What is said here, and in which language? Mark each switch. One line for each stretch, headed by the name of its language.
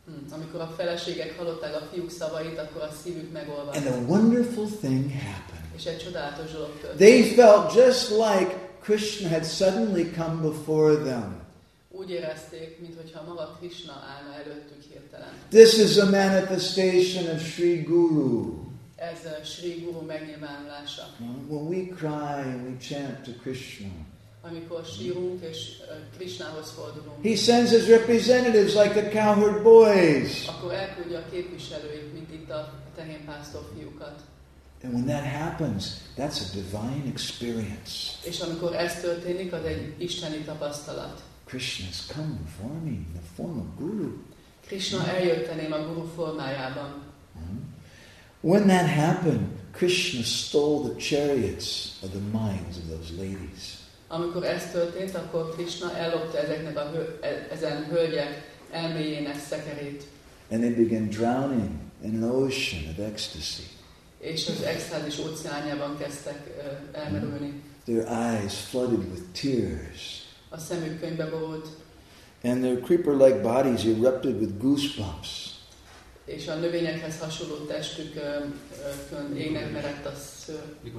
Hungarian: Amikor a feleségek hallották a fiúk szavait, akkor a szívük megolvadt.
English: And a wonderful thing happened.
Hungarian: És egy csodálatos dolog történt.
English: They felt just like Krishna had suddenly come before them.
Hungarian: Úgy érezték, mintha maga Krishna állna előttük hirtelen.
English: This is a manifestation of Sri Guru.
Hungarian: Ez a Sri Guru megnyilvánulása.
English: When we cry and we chant to Krishna,
Hungarian: amikor sírunk és Krishnához fordulunk,
English: he sends his representatives like the cowherd boys.
Hungarian: Akkor elküldi a képviselőit, mint itt a tehénpásztor fiúkat.
English: And when that happens, that's a divine experience.
Hungarian: És amikor ez történik, az egy isteni tapasztalat.
English: Krishna has come before me in the form of Guru.
Hungarian: Krishna eljött elém a Guru formájában.
English: When that happened, Krishna stole the chariots of the minds of those ladies.
Hungarian: Amikor ez történt, akkor Krishna ellopta ezeknek a ezen hölgyek elméjének szekerét.
English: And they began drowning in an ocean of ecstasy.
Hungarian: És az extázis óceánjában kezdtek elmerülni.
English: Their eyes flooded with tears.
Hungarian: A szemük könyvbe borult.
English: And their creeper-like bodies erupted with goosebumps.
Hungarian: És a növényekhez hasonló testük égnek merett a szőr.